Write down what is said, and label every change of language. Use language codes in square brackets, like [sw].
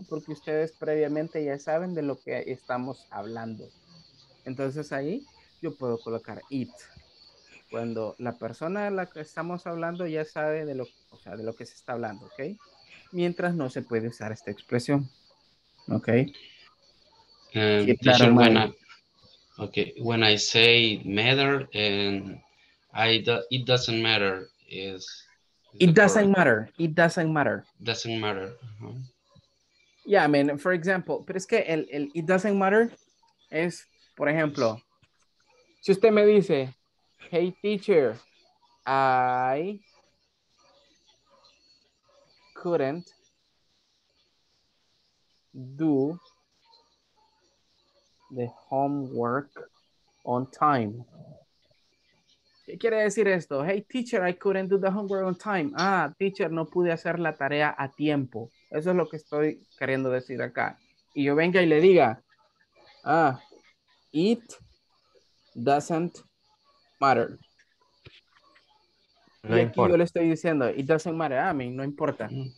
[es] Porque ustedes previamente ya saben de lo que estamos hablando. Entonces ahí yo puedo colocar it. Cuando la persona de la que estamos hablando ya sabe de lo que se está hablando, ¿ok? Mientras no se puede usar esta expresión, ¿ok? [en] When I say matter and it doesn't matter It doesn't matter. Yeah, I mean, for example, [es] pero es que el [en] it doesn't matter es [es] Por ejemplo, si usted me dice, [en] hey teacher, I couldn't do the homework on time. [es] ¿Qué quiere decir esto? [en] Hey teacher, I couldn't do the homework on time. [es] Ah, teacher, no pude hacer la tarea a tiempo. Eso es lo que estoy queriendo decir acá. Y yo venga y le diga, ah, [en] it doesn't matter. [es] No y aquí importa. Yo le estoy diciendo, [en] it doesn't matter, [es] a mí no importa.